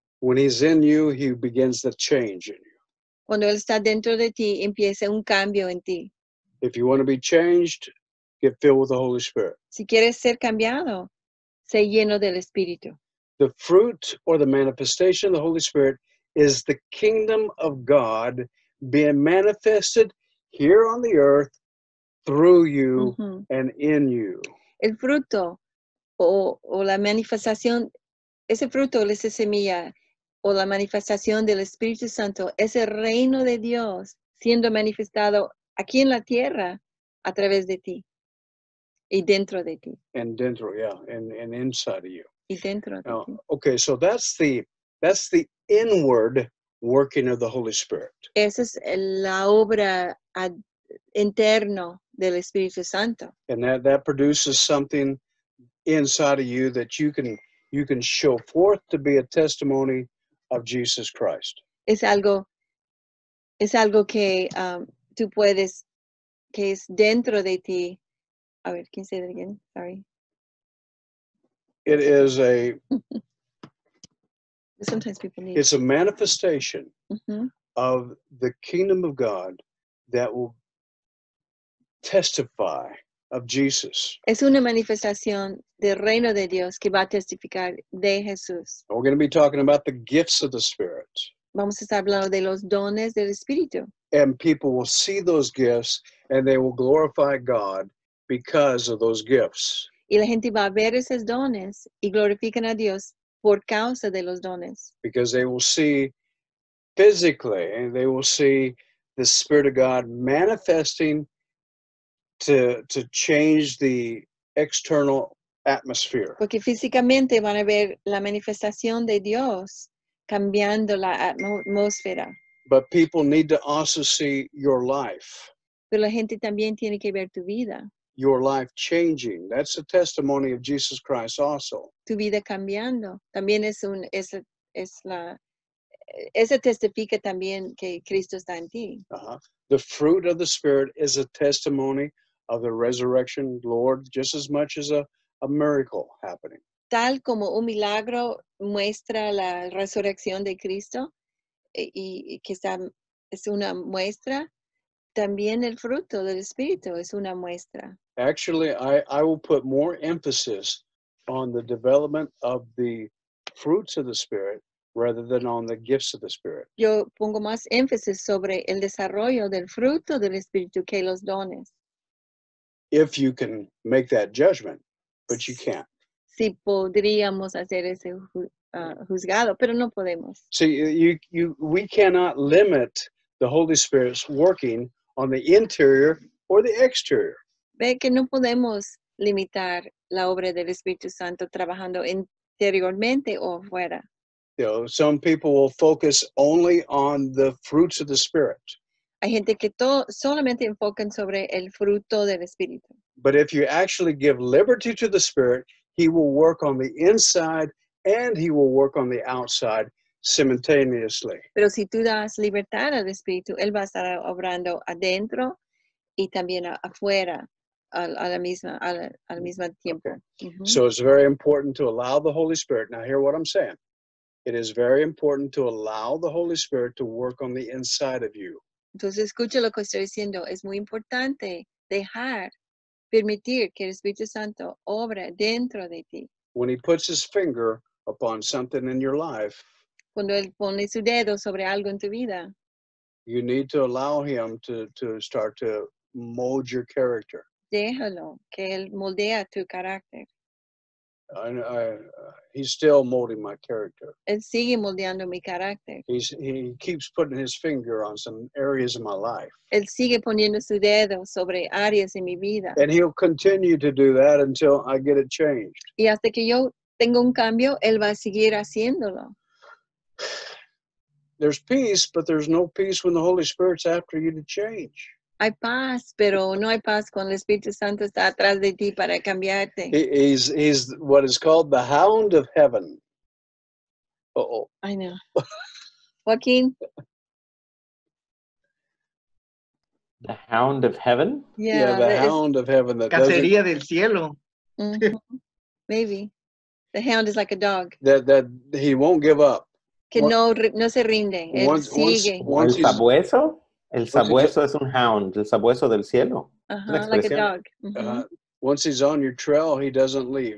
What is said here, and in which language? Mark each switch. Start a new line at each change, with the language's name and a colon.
English: When he's in you, he begins to change in you.
Spanish: Cuando él está dentro de ti, empieza un cambio en ti.
English: If you want to be changed, get filled with the Holy Spirit.
Spanish: Si quieres ser cambiado, sé lleno del Espíritu.
English: The fruit or the manifestation of the Holy Spirit is the kingdom of God being manifested here on the earth through you and in you.
Spanish: El fruto o la manifestación, ese fruto, esa semilla, o la manifestación del Espíritu Santo, es el reino de Dios siendo manifestado aquí en la tierra a través de ti y dentro de ti.
English: And dentro, yeah, and inside of you.
Spanish: Y dentro de ti.
English: Okay, so that's the inward working of the Holy Spirit.
Spanish: Esa es la obra interno del Espíritu Santo.
English: And that produces something inside of you that you can show forth to be a testimony of Jesus Christ.
Spanish: Es algo que tú puedes, que es dentro de ti. A ver,
English: can you say that again? Sorry. It is a sometimes people need it's a manifestation of the kingdom of God that will testify of Jesus.
Spanish: Es una manifestación del reino de Dios que va a testificar de Jesús.
English: We're going to be talking about the gifts of the Spirit.
Spanish: Vamos a estar hablando de los dones del Espíritu.
English: And people will see those gifts and they will glorify God because of those gifts.
Spanish: Y la gente va a ver esos dones y glorifican a Dios por causa de los dones.
English: Because they will see physically, they will see the Spirit of God manifesting to change the external atmosphere.
Spanish: Porque físicamente van a ver la manifestación de Dios cambiando la atmósfera.
English: But people need to also see your life.
Spanish: Pero la gente también tiene que ver tu vida.
English: Your life changing. That's a testimony of Jesus Christ also.
Spanish: Tu vida cambiando. También esa testifica también que Cristo está en ti.
English: The fruit of the Spirit is a testimony of the resurrection, Lord, just as much as a miracle happening.
Spanish: Tal como un milagro muestra la resurrección de Cristo, y que está, es una muestra, también el fruto del Espíritu es una muestra.
English: Actually, I will put more emphasis on the development of the fruits of the Spirit rather than on the gifts of the Spirit.
Spanish: Yo pongo más énfasis sobre el desarrollo del fruto del Espíritu que los dones.
English: If you can make that judgment, but you can't.
Spanish: Si podríamos hacer ese juzgado, pero no podemos.
English: See, we cannot limit the Holy Spirit's working on the interior or the exterior.
Spanish: Ve que no podemos limitar la obra del Espíritu Santo trabajando interiormente o afuera.
English: You know, some people will focus only on the fruits of the Spirit.
Spanish: Hay gente que solamente enfocan sobre el fruto del Espíritu.
English: But if you actually give liberty to the Spirit, he will work on the inside and he will work on the outside simultaneously.
Spanish: Pero si tú das libertad al Espíritu, él va a estar obrando adentro y también afuera al mismo tiempo.
English: Okay. Mm-hmm. So it's very important to allow the Holy Spirit. Now hear what I'm saying. It is very important to allow the Holy Spirit to work on the inside of you.
Spanish: Entonces escucha lo que estoy diciendo. Es muy importante dejar, permitir que el Espíritu Santo obra dentro de ti.
English: When he puts his finger upon something in your life,
Spanish: cuando él pone su dedo sobre algo en tu vida,
English: you need to allow him to start to mold your character.
Spanish: Déjalo que él moldea tu carácter.
English: He's still molding my character.
Spanish: Él sigue moldeando mi carácter.
English: He keeps putting his finger on some areas of my life.
Spanish: Él sigue poniendo su dedo sobre áreas en mi vida.
English: And he'll continue to do that until I get it changed.
Spanish: Y hasta que yo tenga un cambio, él va a seguir haciéndolo.
English: There's peace, but there's no peace when the Holy Spirit's after you to change.
Spanish: Hay paz, pero no hay paz cuando el Espíritu Santo está atrás de ti para cambiarte.
English: He's what is called the hound of heaven. I know. Joaquin? The hound of heaven? Hound of heaven. That
Spanish: Cacería del cielo.
English: Mm-hmm. Maybe. The hound is like a dog. That he won't give up.
Spanish: Que no se rinde. Él sigue. ¿El sabueso? El sabueso es un hound, el sabueso del cielo.
English: Uh-huh, like a dog. Uh-huh. Once he's on your trail, he doesn't leave.